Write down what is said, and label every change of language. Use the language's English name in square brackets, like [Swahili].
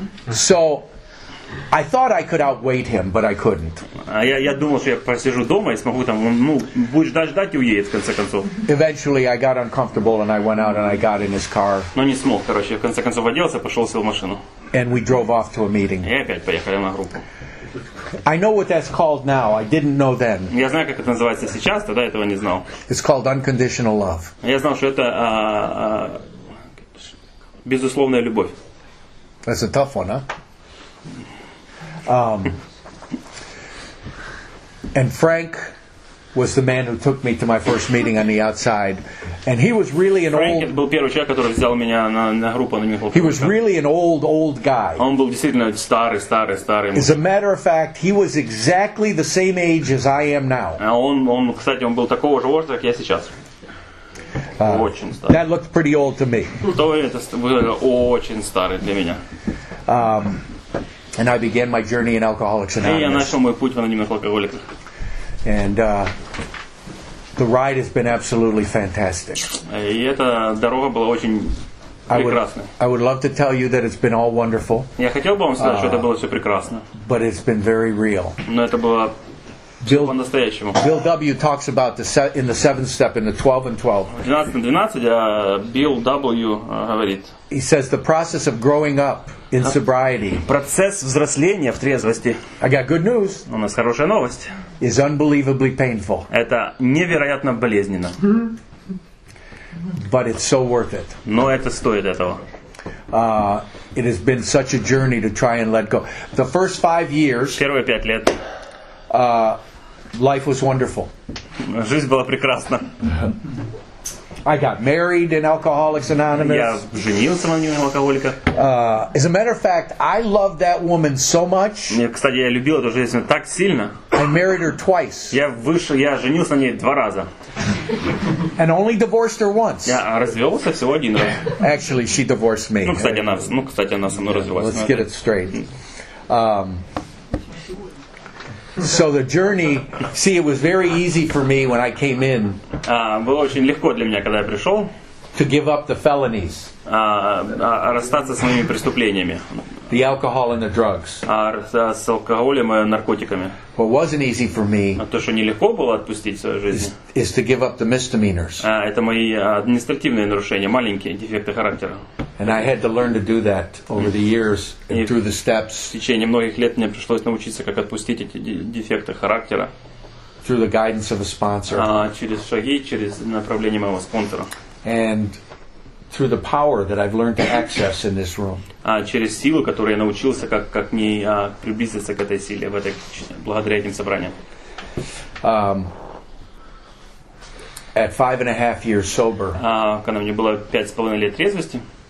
[English] So I thought I could outwait him, but I couldn't. [Russian] Я думал, что я посижу дома и смогу там, ну, будешь ждать и уедет в конце концов. [English] Eventually I got uncomfortable and I went out and I got in his car. [Russian] Но не смог, короче, в конце концов оделся, пошел, сел в машину. [English] And we drove off to a meeting. [Russian] И опять поехали на группу. [English] I know what that's called now. I didn't know then. [Russian] Я знаю, как это называется сейчас, тогда этого не знал. [English] It's called unconditional love. [Russian] Я знал, что это безусловная любовь. [English] That's a tough one, huh? And Frank was the man who took me to my first meeting on the outside, and he was really an Frank old. [Russian] Frank был первый человек, который взял меня на группу на [English] He was really an old guy. [Russian] Он был действительно старый. [English] As a matter of fact, he was exactly the same age as I am now. [Russian] Он кстати, он был такого же возраста, как я сейчас. Очень старый. [English] That looked pretty old to me. [Russian] Очень старый для меня. [English] And I began my journey in Alcoholics Anonymous. [Russian] И я начал мой путь в анонимных алкоголиках. [English] And the ride has been absolutely fantastic. [Russian] И эта дорога была очень прекрасна. [English] I would love to тell you that it's been all wonderful. [Russian] Я хотел бы вам сказать, что это было все прекрасно. [English] But it's been very real. [Russian] Но это было по-настоящему. [English] Bill W. talks about in the seventh step in the 12 and 12. [Russian] 12 and 12. Bill W. Говорит. [English] He says the process of growing up in sobriety. [Russian] Процесс взросления в трезвости. [English] I got good news. [Russian] У нас хорошая новость. [English] Is unbelievably painful. [Russian] Это невероятно болезненно. [English] But it's so worth it. [Russian] Но это стоит этого. [English] It has been such a journey to try and let go. The first 5 years. [Russian] Первые 5 лет. [English] Life was wonderful. [Russian] Жизнь была прекрасна. [English] I got married in Alcoholics Anonymous. [Russian] Я женился на нём, алкоголика. [English] As a matter of fact, I loved that woman so much. [Russian] Кстати, я любил эту женщину так сильно. [English] I married her twice. [Russian] Я женился на ней 2 раза. [English] And only divorced her once. [Russian] Я развёлся всего 1 раз. [English] Actually, she divorced me. [Russian] Ну, кстати, она со мной развелась. [English] Let's get it straight. So the journey, see, it was very easy for me when I came in. [Russian] Было очень легко для меня, когда я пришел. [English] To give up the felonies. [Russian] Расстаться с моими преступлениями. [English] The alcohol and the drugs. [Russian] С алкоголем и наркотиками. [English] What wasn't easy for me. [Russian] То, что нелегко было отпустить свою жизнь. [English] Is to give up the misdemeanors. [Russian] Это мои административные нарушения, маленькие дефекты характера. [English] And I had to learn to do that over the years and through the steps. [Russian] В течение многих лет мне пришлось научиться, как отпустить эти дефекты характера. [English] Through the guidance of a sponsor. [Russian] Через шаги, через направление моего спонсора. [English] And through the power that I've learned to access in this room. [Russian] Через силу, которую я научился, как мне приблизиться к этой силе в благодаря этим собраниям. [English] At 5.5 years sober. [Russian] Когда мне было 5.5 лет трезвости.